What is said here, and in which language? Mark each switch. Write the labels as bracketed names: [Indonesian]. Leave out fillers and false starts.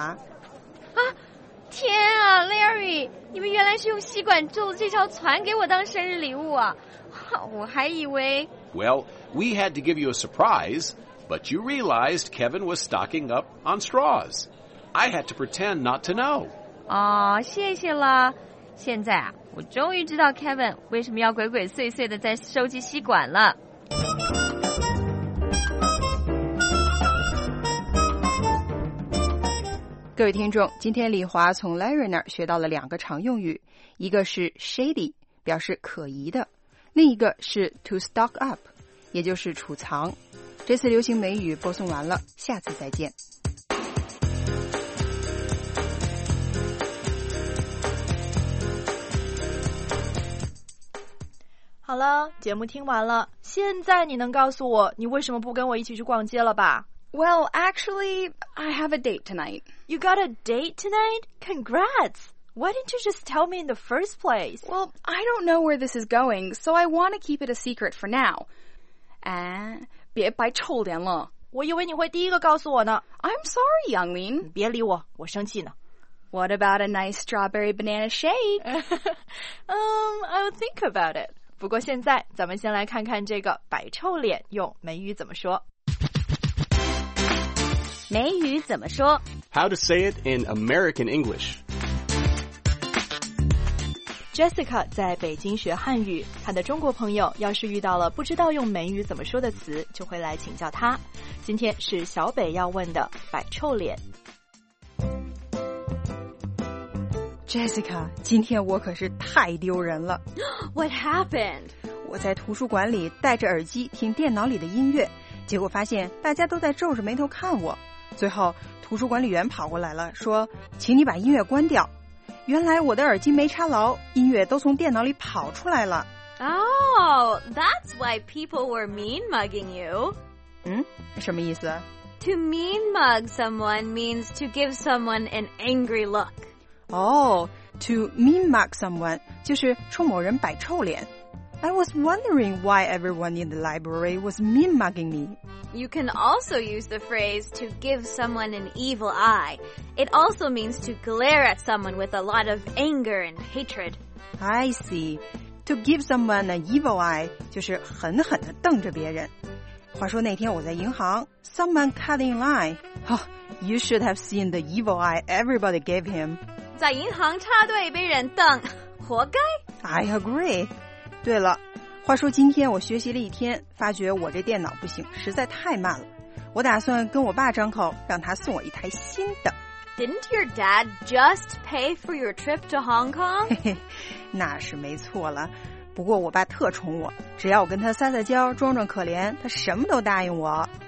[Chinese] 啊，天啊 ，Larry， 你们原来是用吸管做的这条船给我当生日礼物啊！我还以为。 [English] Well, we had to give you a surprise, but you realized Kevin was stocking up on straws. I had to pretend not to know. [Chinese] 哦，谢谢了。现在啊，我终于知道 Kevin 为什么要鬼鬼祟祟的在收集吸管了。各位听众，今天李华从 Larry 那儿学到了两个常用语，一个是 shady， 表示可疑的，另一个是 to stock up， 也就是储藏。这次流行美语播送完了，下次再见。好了，节目听完了，现在你能告诉我你为什么不跟我一起去逛街了吧 [English] ？Well, actually, I have a date tonight. You got a date tonight? Congrats! Why didn't you just tell me in the first place? Well, I don't know where this is going, so I want to keep it a secret for now. [Chinese] 哎，别摆臭脸了！我以为你会第一个告诉我呢。 [English] I'm sorry, Yanglin. [Chinese] 别理我，我生气呢。 [English] What about a nice strawberry banana shake? I'll think about it. [Chinese] 不过现在咱们先来看看这个摆臭脸用美语怎么说。美语怎么说 [English] ?How to say it in American English. [Chinese] Jessica 在北京学汉语，她的中国朋友要是遇到了不知道用美语怎么说的词，就会来请教她。今天是小北要问的摆臭脸。 Jessica, 今天我可是太丢人了。 [English] What happened? [Chinese] 我在图书馆里戴着耳机听电脑里的音乐，结果发现大家都在皱着眉头看我。最后，图书管理员跑过来了，说：“请你把音乐关掉。” 原来我的耳机没插牢，音乐都从电脑里跑出来了。 [English] Oh, that's why people were mean mugging you. [Chinese] 嗯，什么意思？ [English] To mean mug someone means to give someone an angry look. To mean mug someone [Chinese] 就是冲某人摆臭脸。 [English] I was wondering why everyone in the library was mean mugging me. You can also use the phrase to give someone an evil eye. It also means to glare at someone with a lot of anger and hatred. I see. To give someone an evil eye [Chinese] 就是狠狠地瞪着别人。话说那天我在银行 ， [English] someone cut in line. Oh, you should have seen the evil eye everybody gave him. [Chinese] 在银行插队被人瞪，活该。 [English] I agree. [Chinese] 对了，话说今天我学习了一天，发觉我这电脑不行，实在太慢了。我打算跟我爸张口，让他送我一台新的。 [English] Didn't your dad just pay for your trip to Hong Kong? [Chinese] 那是没错了。不过我爸特宠我，只要我跟他撒撒娇，装装可怜，他什么都答应我。